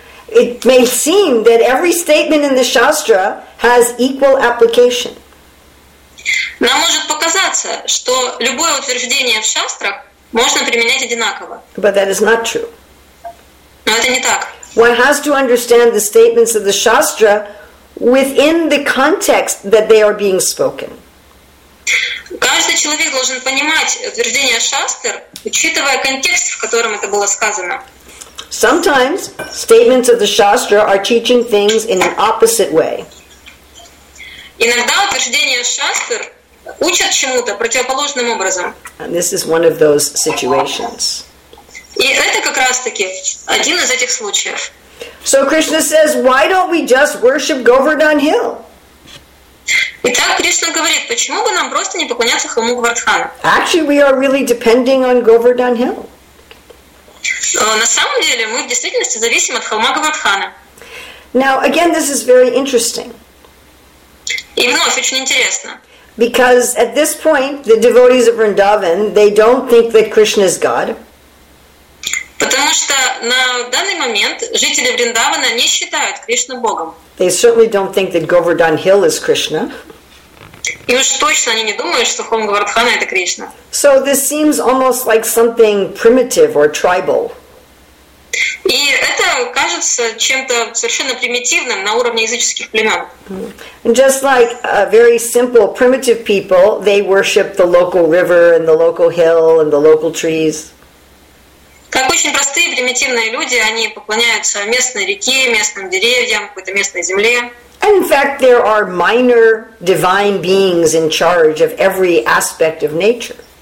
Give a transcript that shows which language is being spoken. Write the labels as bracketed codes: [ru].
[en] It may seem that every statement in the Shastra has equal application. [ru] Нам может показаться, что любое утверждение в Шастрах можно применять одинаково. [en] But that is not true. [ru] Но это не так. [en] One has to understand the statements of the Shastra within the context that they are being spoken. [ru] Каждый человек должен понимать утверждение Шастр, учитывая контекст, в котором это было сказано. [en] Sometimes statements of the Shastra are teaching things in an opposite way. [ru] Иногда утверждения Шастр учат чему-то противоположным образом. [en] And this is one of those situations. [ru] И это как раз-таки один из этих случаев. [en] So Krishna says, why don't we just worship Govardhan Hill? [ru] Итак, Кришна говорит, почему бы нам просто не поклоняться холму Говардхана? [en] Actually, we are really depending on Govardhan Hill. [ru] На самом деле, мы в действительности зависим от холма Говардхана. [en] Now, again, this is very interesting. [ru] И вновь очень интересно. [en] Because at this point, the devotees of Vrindavan, they don't think that Krishna is God. [ru] Потому что на данный момент жители Вриндавана не считают Кришну Богом. [en] They certainly don't think that Govardhan Hill is Krishna. [ru] И уж точно они не думают, что холм Говардхана это Кришна. [en] So this seems almost like something primitive or tribal. [ru] И это кажется чем-то совершенно примитивным на уровне языческих племен. [en] And just like a very simple primitive people, they worship the local river and the local hill and the local trees. [ru] Как очень простые примитивные люди, они поклоняются местной реке, местным деревьям, какой-то местной земле. [en] And in fact, there are minor divine beings in charge of every aspect of nature.